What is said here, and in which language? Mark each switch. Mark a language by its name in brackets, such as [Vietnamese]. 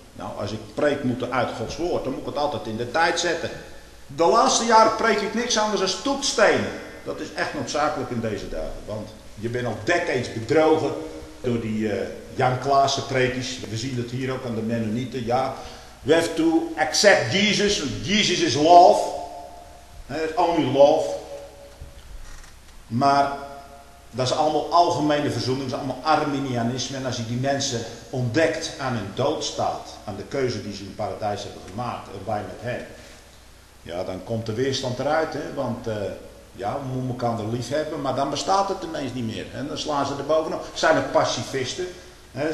[Dutch] Nou, als ik preek moeten uit Gods woord, dan moet ik het altijd in de tijd zetten. De laatste jaren preek ik niks anders dan toetstenen. Dat is echt noodzakelijk in deze dagen, want je bent al decades bedrogen door die Jan Klaassen preekjes. We zien dat hier ook aan de Mennonieten. [English] Ja, we have to accept Jesus. Jesus is love. It's only love. Maar [Dutch] Dat is allemaal algemene verzoening, dat is allemaal Arminianisme. En als je die mensen ontdekt aan hun doodstaat, aan de keuze die ze in het paradijs hebben gemaakt, erbij met hen. Ja, dan komt de weerstand eruit, hè? Want ja, we moeten elkaar er lief hebben, maar dan bestaat het ineens niet meer. En dan slaan ze er bovenop. Zijn er pacifisten, hè?